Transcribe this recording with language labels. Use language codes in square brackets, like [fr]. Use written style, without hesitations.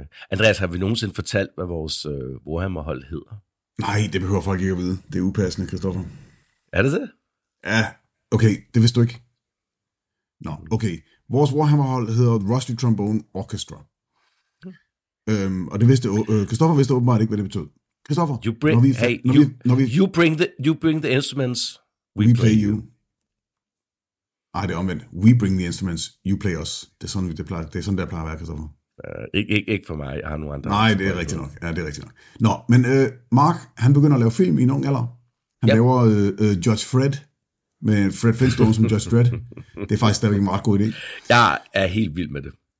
[da] Andreas, har vi nogensinde fortalt, hvad vores Warhammer-hold hedder? Nej, det behøver folk ikke at vide. Det er upassende, Christoffer. Er det det? Ja, okay, det vidste du ikke. Nå, okay. Vores Warhammer-hold hedder Rusty Trombone Orchestra. Og det vidste... Christoffer vidste åbenbart ikke, hvad det betød. Christoffer, [en] You bring the instruments, we play you. [da] Ej, det er omvendt. [en] We bring the instruments, you play us. [da] Det er sådan, det plejer at være, Christoffer. Ikke for mig, jeg har nogen andre. Nej, det er rigtigt nok. Ja, det er rigtigt nok. Nå, men Mark, han begynder at lave film i en ung alder. Han laver Judge Fred, med Fred Flintstone som Judge Dredd. Det er faktisk stadigvæk en meget god idé. Jeg er helt vild med det.